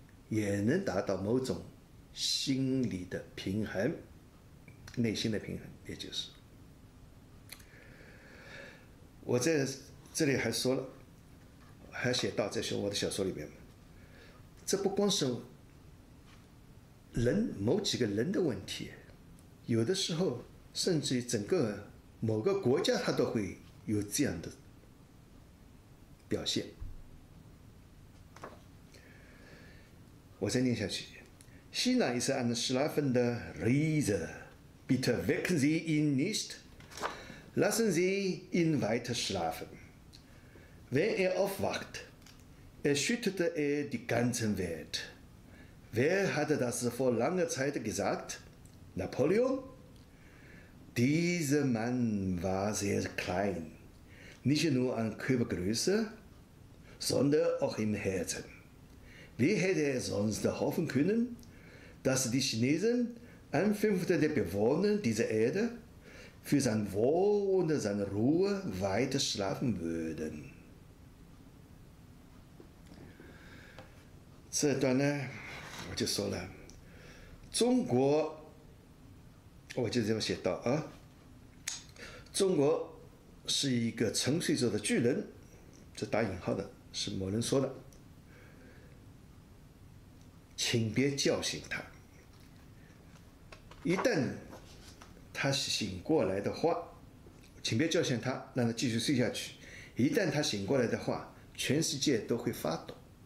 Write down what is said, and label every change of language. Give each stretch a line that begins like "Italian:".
Chinese: 也能达到某种心理的平衡，内心的平衡，也就是我在这里还说了，还写到在我的小说里面，这不光是人某几个人的问题，有的时候甚至于整个某个国家它都会有这样的表现。我再念下去。
German: China ist ein schlafender Riese. Bitte wecken Sie ihn nicht. Lassen Sie ihn weiter schlafen. Wenn er aufwacht, erschüttert er die ganze Welt. Wer hatte das vor langer Zeit gesagt? Napoleon? Dieser Mann war sehr klein, nicht nur an Körpergröße, sondern auch im Herzen. Wie hätte er sonst hoffen können, dass die Chinesen, ein Fünftel der Bewohner dieser Erde, für sein Wohl und seine Ruhe weiter schlafen würden?
Chinese: 这段呢，我就说了，中国，我就这么写道啊。中国是一个沉睡着的巨人，这打引号的，是某人说的。请别叫醒他，一旦他醒过来的话，请别叫醒他，让他继续睡下去。一旦他醒过来的话，全世界都会发抖。